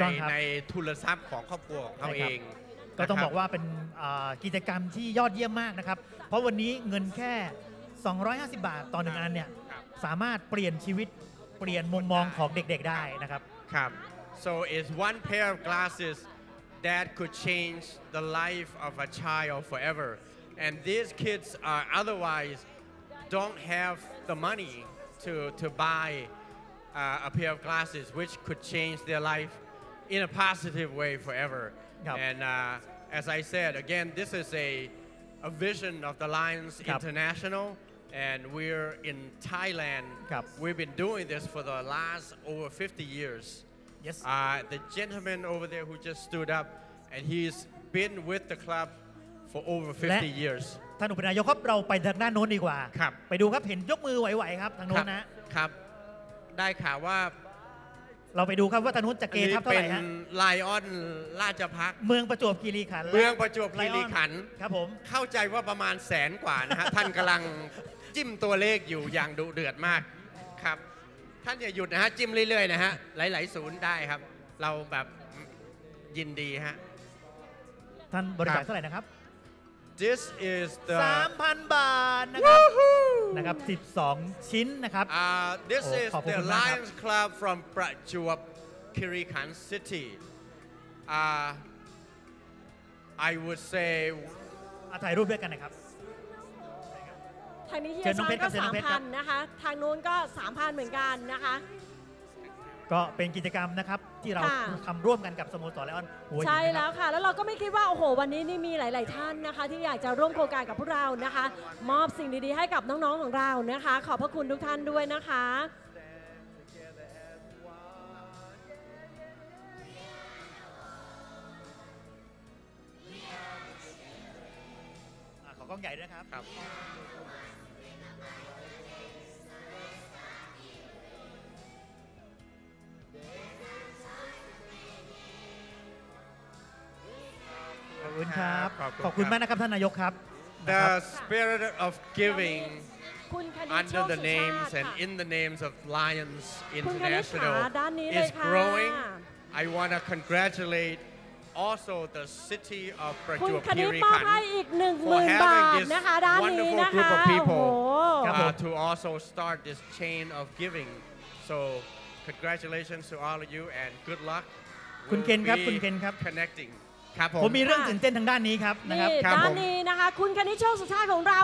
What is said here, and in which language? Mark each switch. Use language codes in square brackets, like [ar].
[th] ในทุนทรัพย์ของครอบครัวของเขาเอง ก็ต้องบอกว่าเป็นกิจกรรมที่ยอดเยี่ยมมากนะครับเพราะวันนี้เงินแค่250บาทต่อ1อันเนี่ยสามารถเปลี่ยนชีวิตเปลี่ยนมุมมองของเด็กๆได้นะครับ [en] ครับ So it's one pair of glasses that could change the life of a child forever and these kids are otherwise don't have the money to buy a pair of glasses which could change their life in a positive way foreverYep. And as I said, again, this is a vision of the Lions yep. International, and we're in Thailand. Yep. We've been doing this for the last over 50 years. Yes. The gentleman over there who just stood up, and he's been with the club for over 50 years. [th] ท่านอุปนายกครับเราไปทางด้านโน้นดีกว่า ครับ ไปดูครับเห็นยกมือไหวๆครับทางโน้นนะ ครับได้ข่าวว่า เราไปดูครับว่าทนุนจะเกเท่าไหร่ฮะ เป็นไลออนราชพัก เมืองประจวบคีรีขัน เมืองประจวบคีรีขัน ครับผม เข้าใจว่าประมาณแสนกว่านะฮะท่านกำลังจิ้มตัวเลขอยู่อย่างดุเดือดมากครับท่านอย่าหยุดนะฮะจิ้มเรื่อยๆนะฮะหลายๆศูนย์ได้ครับเราแบบยินดีฮะ ท่านบริจาคเท่าไหร่นะครับ [en] This is the [th] 3,000 บาทนะครับนะครับ12ชิ้นนะครับ [en] This is the Lions Club from Prachuap Kirikan City I would say [th] ถ่ายรูปด้วยกันนะครับ ทางนี้ที่อาจารย์ก็ 3,000 นะคะทางนู้นก็ 3,000 เหมือนกันนะคะ ก็เป็นกิจกรรมนะครับที่เราทำร่วมกันกับสโมสรไลออนหัวหิน ใช่แล้วค่ะแล้วเราก็ไม่คิดว่าโอ้โหวันนี้นี่มีหลายๆท่านนะคะที่อยากจะร่วมโครงการกับพวกเรานะคะมอบสิ่งดีๆให้กับน้องๆของเรานะคะขอบพระคุณทุกท่านด้วยนะคะ ขอกล้องใหญ่ด้วยครับ ครับ ขอบคุณครับขอบคุณมากนะครับท่านนายกครับ [en] The spirit of giving under the names and in the names of Lions International is growing. I want to congratulate also the city of Prachuapkirikan for having this wonderful group of people to also start this chain of giving. So congratulations to all of you and good luck. [th] คุณเคนครับคุณเคนครับ [en] connecting [th] ครับผมมีเรื่องตื่นเต้นทางด้านนี้ครับนะครับ ครับ ผม ด้านนี้นะคะคุณคณิชโชคสุชาติของเรา